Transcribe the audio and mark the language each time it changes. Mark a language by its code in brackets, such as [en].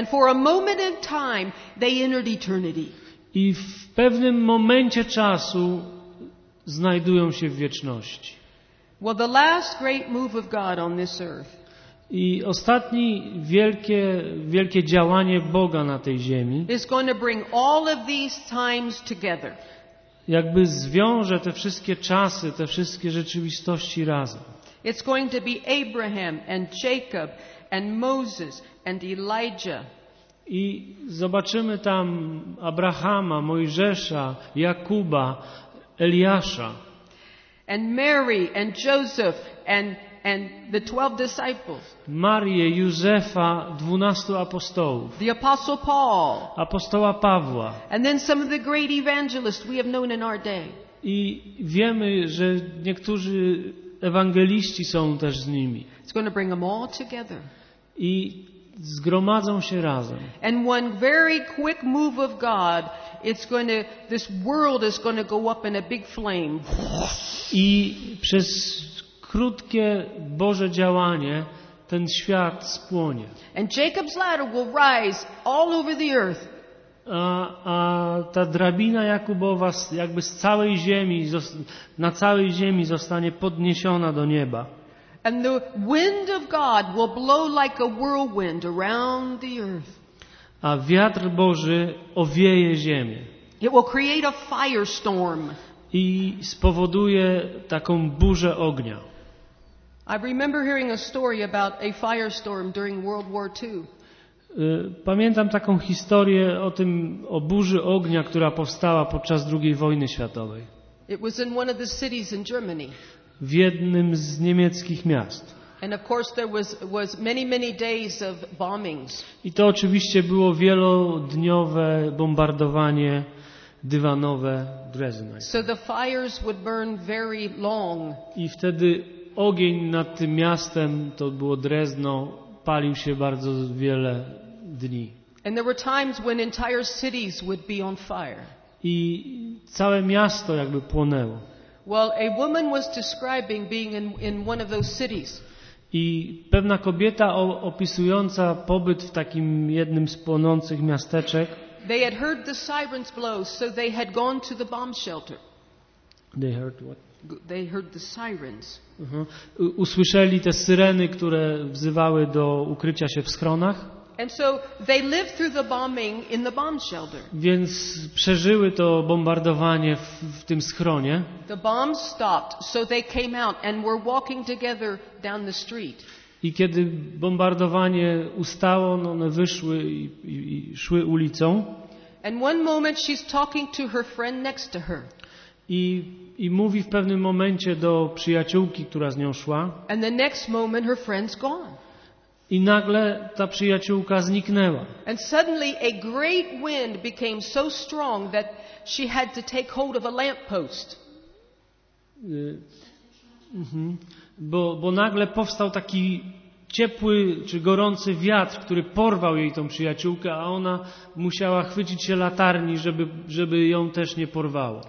[en] And for a moment in time, they entered eternity. [pl] I w pewnym momencie czasu znajdują się w wieczności. [en] Well, the last great move of God on this earth. [pl] I ostatni wielkie działanie Boga na tej ziemi. [en] Is going to bring all of these times together. [pl] Jakby zwiąże te wszystkie czasy, te wszystkie rzeczywistości razem. [en] It's going to be Abraham and Jacob and Moses and Elijah. [pl] I zobaczymy tam Abrahama, Mojżesza, Jakuba, Eliasza. [en] And Mary and Joseph and the 12 disciples. [pl] Marię, Józefa, 12 apostołów. [en] The apostle Paul. [pl] Apostoła Pawła. [en] And then some of the great evangelists we have known in our day. [pl] I wiemy, że niektórzy ewangeliści są też z nimi. [en] It's going to bring them all together. [pl] I zgromadzą się razem. [en] And one very quick move of God, this world is going to go up in a big flame. [pl] I przez krótkie Boże działanie ten świat spłonie. [en] And Jacob's ladder will rise all over the earth. [pl] A ta drabina Jakubowa jakby z całej ziemi, na całej ziemi zostanie podniesiona do nieba. [en] And the wind of God will blow like a whirlwind around the earth. [pl] A wiatr Boży owieje ziemię. [en] It will create a firestorm. [pl] I spowoduje taką burzę ognia. [en] I remember hearing a story about a firestorm during World War II. [pl] Pamiętam taką historię o burzy ognia, która powstała podczas II wojny światowej. [en] It was in one of the cities in Germany. [pl] W jednym z niemieckich miast. [en] And of course there was many, many days of bombings. [pl] I to oczywiście było wielodniowe bombardowanie dywanowe Dresden. [en] So the fires would burn very long. [pl] I wtedy ogień nad tym miastem, to było Drezno, palił się bardzo wiele dni. [en] And there were times when entire cities would be on fire. [pl] I całe miasto jakby płonęło. [en] Well, a woman was describing being in one of those cities. [pl] I pewna kobieta opisująca pobyt w takim jednym z płonących miasteczek. [en] They had heard the sirens blow, so they had gone to the bomb shelter. They heard what? They heard the sirens. [pl] Usłyszeli te syreny, które wzywały do ukrycia się w schronach. [en] And so they lived through the bombing in the bomb shelter. [pl] Więc przeżyły to bombardowanie w tym schronie. [en] The bombs stopped, so they came out and were walking together down the street. [pl] I kiedy bombardowanie ustało, no one wyszły i szły ulicą. [en] And one moment she's talking to her friend next to her. [pl] I mówi w pewnym momencie do przyjaciółki, która z nią szła. [en] And the next moment her friend's gone. [pl] I nagle ta przyjaciółka zniknęła. [en] And suddenly a great wind became so strong that she had to take hold of a lamppost. [pl] Bo nagle powstał taki ciepły czy gorący wiatr, który porwał jej tą przyjaciółkę, a ona musiała chwycić się latarni, żeby ją też nie porwało.